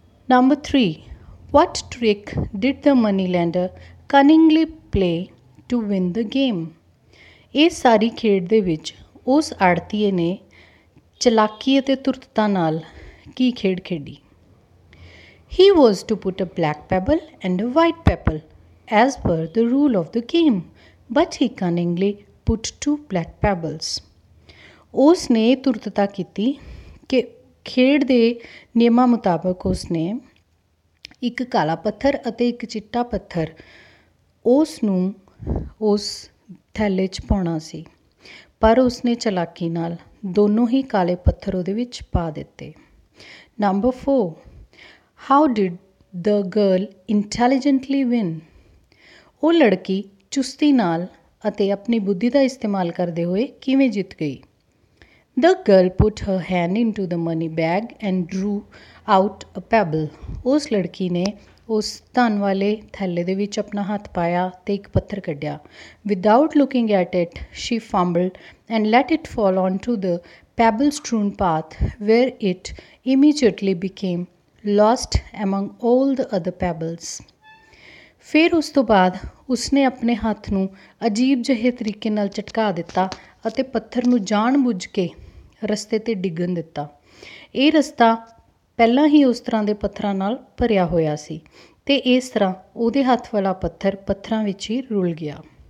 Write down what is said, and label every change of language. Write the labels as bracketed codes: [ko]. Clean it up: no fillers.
[en] Number 3, what trick did the money lender cunningly play to win the game. [pa] ਇਸ ਸਾਰੀ ਖੇਡ ਦੇ ਵਿੱਚ ਉਸ ਆੜਤੀ ਨੇ ਚਲਾਕੀ ਅਤੇ ਤੁਰਤਤਾ ਨਾਲ ਕੀ ਖੇਡ ਖੇਡੀ? [en] He was to put a black pebble and a white pebble as per the rule of the game, but he cunningly put two black pebbles. [pa] ਉਸ ਨੇ ਤੁਰਤਤਾ ਕੀਤੀ ਕਿ ਖੇਡ ਦੇ ਨਿਯਮਾਂ ਮੁਤਾਬਕ ਉਸ ਨੇ ਇੱਕ ਕਾਲਾ ਪੱਥਰ ਅਤੇ ਇੱਕ ਚਿੱਟਾ ਪੱਥਰ ਉਸ ਨੂੰ ਉਸ ਥੈਲੇ 'ਚ ਪਾਉਣਾ ਸੀ, ਪਰ ਉਸਨੇ ਚਲਾਕੀ ਨਾਲ ਦੋਨੋਂ ਹੀ ਕਾਲੇ ਪੱਥਰ ਉਹਦੇ ਵਿੱਚ ਪਾ ਦਿੱਤੇ। [en] Number 4, How did the girl intelligently win? [pa] ਉਹ ਲੜਕੀ ਚੁਸਤੀ ਨਾਲ ਅਤੇ ਆਪਣੀ ਬੁੱਧੀ ਦਾ ਇਸਤੇਮਾਲ ਕਰਦੇ ਹੋਏ ਕਿਵੇਂ ਜਿੱਤ ਗਈ? [en] The girl put her hand into the money bag and drew out a pebble. [pa] ਉਸ ਲੜਕੀ ਨੇ ਉਸ ਧਨ ਵਾਲੇ ਥੈਲੇ ਦੇ ਵਿੱਚ ਆਪਣਾ ਹੱਥ ਪਾਇਆ ਅਤੇ ਇੱਕ ਪੱਥਰ ਕੱਢਿਆ। [en] Without looking at it, she fumbled and let it fall onto the pebble-strewn path where it immediately became lost among all the other pebbles. [pa] ਫਿਰ ਉਸ ਤੋਂ ਬਾਅਦ ਉਸਨੇ ਆਪਣੇ ਹੱਥ ਨੂੰ ਅਜੀਬ ਜਿਹੇ ਤਰੀਕੇ ਨਾਲ ਝਟਕਾ ਦਿੱਤਾ ਅਤੇ ਪੱਥਰ ਨੂੰ ਜਾਣ ਬੁੱਝ ਕੇ ਰਸਤੇ 'ਤੇ ਡਿੱਗਣ ਦਿੱਤਾ। ਇਹ ਰਸਤਾ ਪਹਿਲਾਂ ਹੀ ਉਸ ਤਰ੍ਹਾਂ ਦੇ ਪੱਥਰਾਂ ਨਾਲ ਭਰਿਆ ਹੋਇਆ ਸੀ ਅਤੇ ਇਸ ਤਰ੍ਹਾਂ ਉਹਦੇ ਹੱਥ ਵਾਲਾ ਪੱਥਰ ਪੱਥਰਾਂ ਵਿੱਚ ਹੀ ਰੁਲ ਗਿਆ।